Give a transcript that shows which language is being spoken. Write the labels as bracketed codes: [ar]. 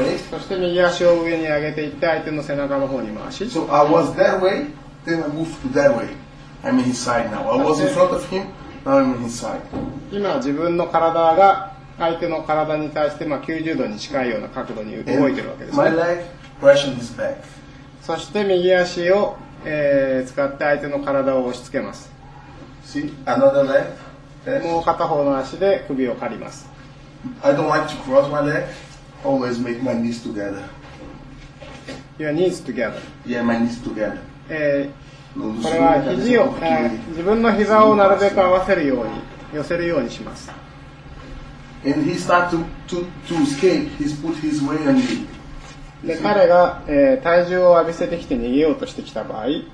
[ja] そして右足を上に上げていって相手の背中の方に回し。 [en] So I was that way, then I moved to that way. I'm in his side now. I was in front of him, now I'm in his side. [ja] 今自分の体が相手の体に対して、まあ、90度に近いような角度に動いてるわけです [en] My leg pressing his back. [ja] そして右足を、使って相手の体を押し付けます。 [en] See? Another leg. [ja] もう片方の足で首を刈ります。 [en] I don't like to cross my leg. Always make my knees together. Your knees together. Yeah, my knees together. [ja] これは肘を、自分の膝をなるべく合わせるように、寄せるようにします。 [en] And he start to escape. He's put his weight on me. [ja] で、彼が、体重を浴びせてきて逃げようとしてきた場合、